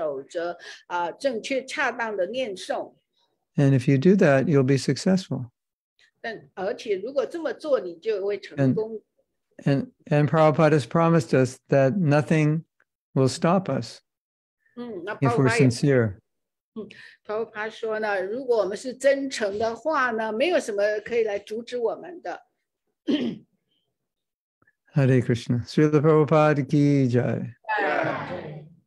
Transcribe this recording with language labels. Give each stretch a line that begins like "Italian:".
Chinese: 每一天都尽力去进行，遵循规范守则，正确恰当的念诵。
English: And if you do that, you'll be successful.
Chinese: 而且如果这么做，你就会成功。
English: And Prabhupada has promised us that nothing will stop us. If we're sincere.
Chinese: Prabhupada说呢, 如果我们是真诚的话呢, 没有什么可以来阻止我们的。
English: Hare Krishna. Srila Prabhupada ki jai.